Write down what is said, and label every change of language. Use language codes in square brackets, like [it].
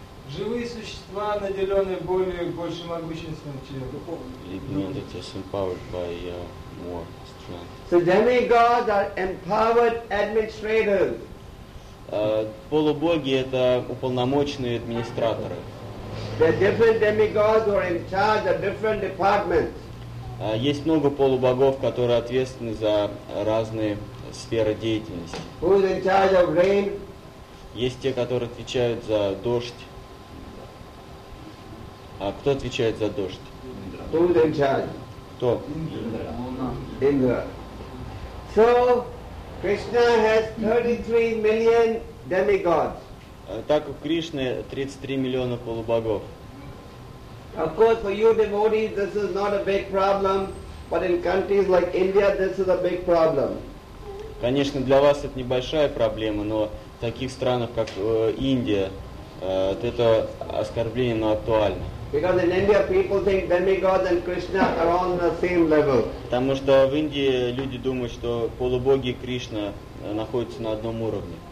[ru] Живые существа, наделенные более большим могуществом, чем духовные. [en] Is empowered by more strength. So demigods are empowered administrators. [ru] Полубоги это уполномоченные администраторы. [en] There are different demigods who are in charge of different departments. [ru] Есть много полубогов, которые ответственны за разные сфера деятельности. [en] Who is in charge of rain? [ru] Есть те, которые отвечают за дождь. А кто отвечает за дождь? [en] Who is in charge? [ru] Кто? [en] Indra. So, Krishna has 33 million demigods. [ru] Так у Кришны 33 миллиона полубогов. [en] Of course, for you devotees, this is not a big problem, but in countries like India, this is a big problem. [ru] Конечно, для вас это небольшая проблема, но в таких странах, как Индия, это оскорбление, но актуально. [en] Because in India people think demigods and Krishna are on the same level. [ru] Потому что в Индии люди думают, что полубоги и Кришна находятся на одном уровне.